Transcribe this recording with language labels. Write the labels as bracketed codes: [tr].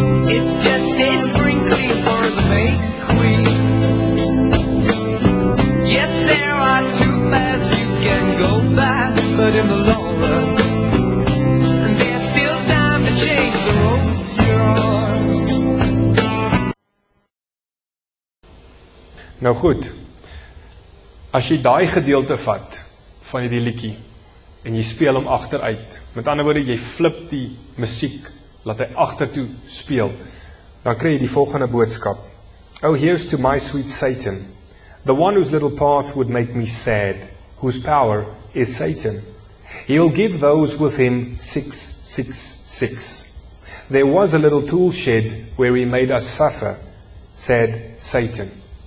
[en] It's just a spring clean for the May Queen. Yes, there are two paths you can go by, but in the long run, there's still time to change the road you're on. [af] Nou goed, as jy daai gedeelte vat van hierdie liedjie en jy speel hom agteruit, met ander woorde, jy flip die musiek, laat hy agtertoe speel, dan kry jy die volgende boodskap. [en] Oh, here's to my sweet Satan, the one whose little path would make me sad, whose power is Satan. He'll give those with him 666. There was a little tool shed where he made us suffer, said Satan.